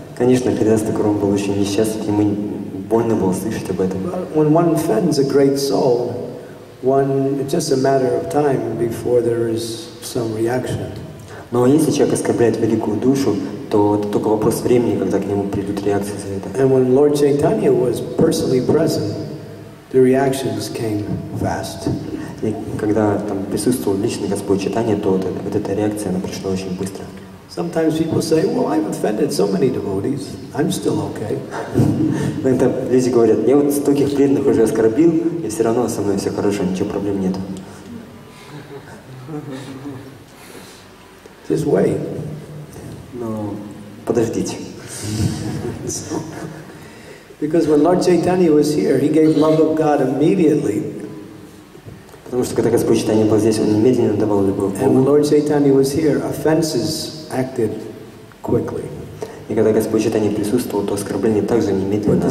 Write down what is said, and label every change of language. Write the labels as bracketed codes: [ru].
[ru] Конечно, Харидас Такур был очень несчастлив, ему больно было слышать об этом. [en] When one offends a great soul, it's just a matter of time before there is some reaction. [ru] Но если человек оскорбляет великую душу, то это только вопрос времени, когда к нему придут реакции за это. [en] And when Lord Chaitanya was personally present, the reactions came fast. [ru] И когда там присутствовал лично Господь Чайтанья, то вот эта реакция, она пришла очень быстро. [en] Sometimes people say, "Well, I've offended so many devotees. I'm still okay." When the [ru] люди говорят, я вот стольких преданных уже оскорбил, и все равно со мной все хорошо, ничего проблем нет. [en] Just wait. [ru] Но подождите. [en] Because when Lord Chaitanya was here, he gave love of God immediately. [ru] Потому что когда Господь Чайтанья был здесь, он немедленно давал любовь. [en] And when Lord Chaitanya was here, offenses acted quickly. [ru] И когда Господь Чайтанья присутствовал, то оскорбления также немедленно